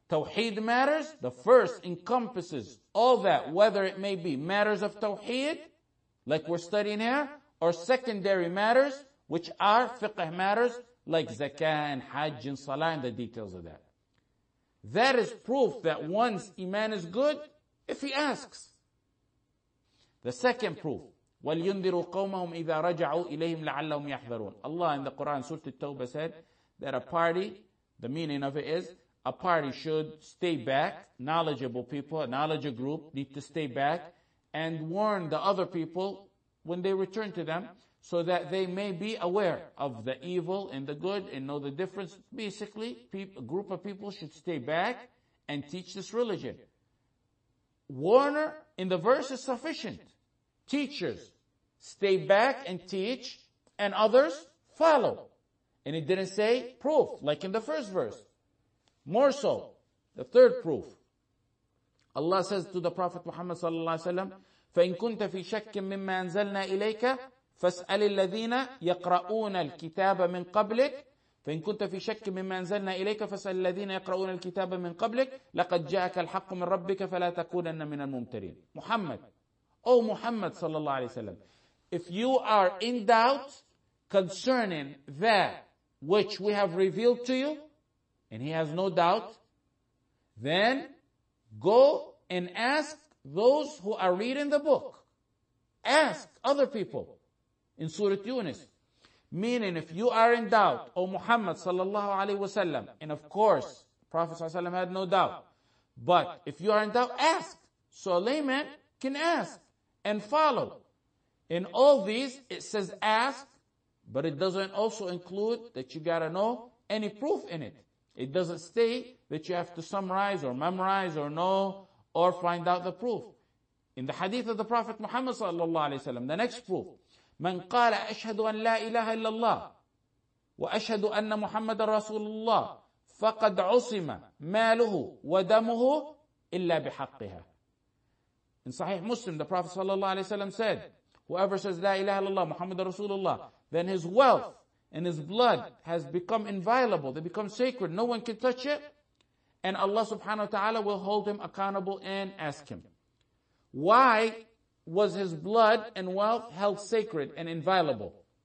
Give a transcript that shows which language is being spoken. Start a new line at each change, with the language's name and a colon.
English: Tawheed matters, the first encompasses all that, whether it may be matters of Tawheed, like we're studying here, or secondary matters, which are fiqh matters, like zakah and hajj and salah and the details of that. That is proof that one's iman is good if he asks. The second proof,
Arabic: وَلْيُنْذِرُوا قَوْمَهُمْ إِذَا رَجَعُوا إِلَيْهِمْ لَعَلَّهُمْ يَحْذَرُونَ.
English: Allah in the Quran, Surah At-Tawbah said that a party, the meaning of it is, a party should stay back. Knowledgeable people, a knowledge group need to stay back and warn the other people when they return to them so that they may be aware of the evil and the good and know the difference. Basically, a group of people should stay back and teach this religion. Warner in the verse is sufficient. Teachers, stay back and teach, and others follow. And it didn't say proof, like in the first verse. More so, the third proof. Allah says to the Prophet Muhammad sallallahu alaihi wasallam,
Arabic: فَإِنْ كُنْتَ فِي شَكٍ مِمَّا أَنزَلْنَا إِلَيْكَ فَاسْأَلِ الَّذِينَ يَقْرَؤُونَ الْكِتَابَ مِنْ قَبْلِكَ فَإِنْ كُنْتَ فِي شَكٍ مِمَّا أَنزَلْنَا إِلَيْكَ فَاسْأَلِ الَّذِينَ يَقْرَؤُونَ الْكِتَابَ مِنْ قَبْلِكَ لَقَدْ جَاءَكَ الْحَقُّ مِنْ رَبِّكَ فَلَا تَكُونَنَّ مِنَ الْمُمْتَرِينَ.
English: Muhammad, O Muhammad sallallahu alaihi wasallam, if you are in doubt concerning that which we have revealed to you, and he has no doubt, then go and ask those who are reading the book. Ask other people in Surah Yunus. Meaning, if you are in doubt, O Muhammad sallallahu alaihi wasallam, and of course, Prophet sallallahu alaihi wasallam had no doubt, but if you are in doubt, ask. So a layman can ask and follow. In all these, it says ask, but it doesn't also include that you gotta know any proof in it. It doesn't say that you have to summarize or memorize or know or find out the proof. In the hadith of the Prophet Muhammad sallallahu alaihi wasallam, the next proof:
Arabic: من قال أشهد أن لا إله إلا الله وأشهد أن محمد رسول الله فقد عصم ماله ودمه إلا بحقها.
English: In Sahih Muslim, the Prophet sallallahu alaihi wasallam said, "Whoever says
Arabic: لا إله إلا الله محمد رسول الله,
English: then his wealth and his blood has become inviolable. They become sacred. No one can touch it." And Allah subhanahu wa ta'ala will hold him accountable and ask him, why was his blood and wealth held sacred and inviolable?